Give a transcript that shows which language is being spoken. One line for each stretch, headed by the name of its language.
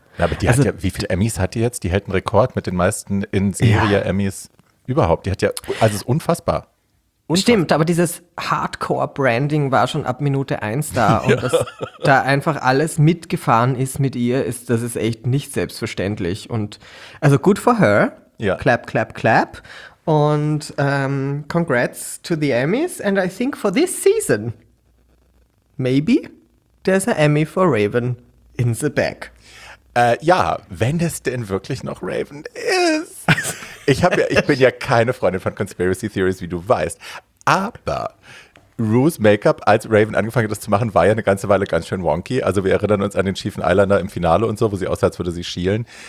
German: Ja, aber die also, hat ja, wie viele Emmys hat die jetzt? Die hält einen Rekord mit den meisten in Serie-Emmys überhaupt. Die hat ja, also es ist unfassbar. Stimmt, aber dieses Hardcore-Branding war schon ab Minute 1 da und dass da einfach alles mitgefahren ist mit ihr, das ist echt nicht selbstverständlich. Und also
English: good for her, clap, clap, clap
German: und
English: congrats to the Emmys and I think for this season, maybe there's an Emmy for Raven in the bag.
German: Ja, wenn es denn wirklich noch Raven ist. Ich bin ja keine Freundin von Conspiracy Theories, wie du weißt. Aber Ru's Make-up, als Raven angefangen hat, das zu machen, war ja eine ganze Weile ganz schön wonky. Also wir erinnern uns an den schiefen Eyeliner im Finale und so, wo sie aussah, als würde sie schielen.